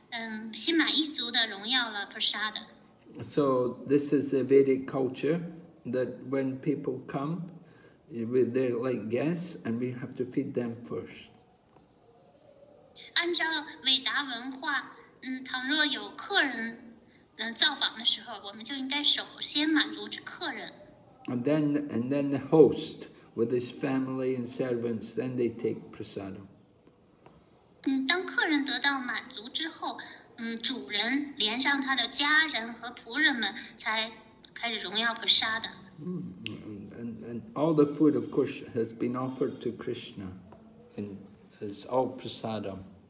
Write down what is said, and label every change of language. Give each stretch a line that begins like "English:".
Chinese: 这位婆罗门就召集了自己的追随者和家人们，他们于是就坐了下来，心满意足的荣耀了prasadam。
English: So this is the Vedic culture, that when people come, they're like guests, and we have to feed them first.
Chinese: 按照韦达文化，倘若有客人造访的时候，我们就应该首先满足客人。
English: And then the host, with his family and servants, then they take prasadam.
Chinese: 当客人得到满足之后， 主人连上他的家人和仆人们，才开始荣耀菩萨的。
English: And all the food, of course, has been offered to Krishna, and it's all prasadam.